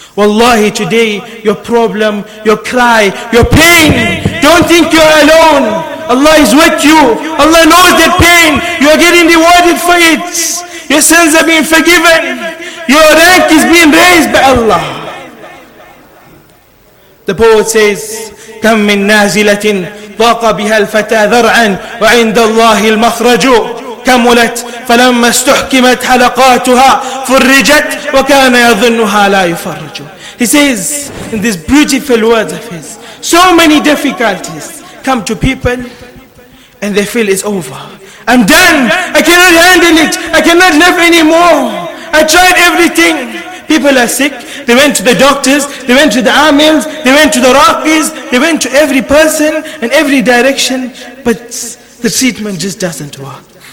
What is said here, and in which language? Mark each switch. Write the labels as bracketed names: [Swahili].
[English] Wallahi, today your problem, your cry, your pain, don't think you're alone. Allah is with you. Allah knows the pain. You are getting rewarded for it. Your sins are being forgiven. Your rank is being raised by Allah. [Arabic] The poet says, كم من نازلة ضاق بها الفتى ذرعا وعند الله المخرج كملت فلما استحكمت حلقاتها فرجت وكان يظنها لا يفرج. [English] He says in these beautiful words of his, so many difficulties come to people and they feel it's over. I'm done. I cannot handle it. I cannot live anymore. I tried everything. People are sick. They went to the doctors, they went to the Amils, they went to the Raqis, they went to every person and every direction, but the treatment just doesn't work.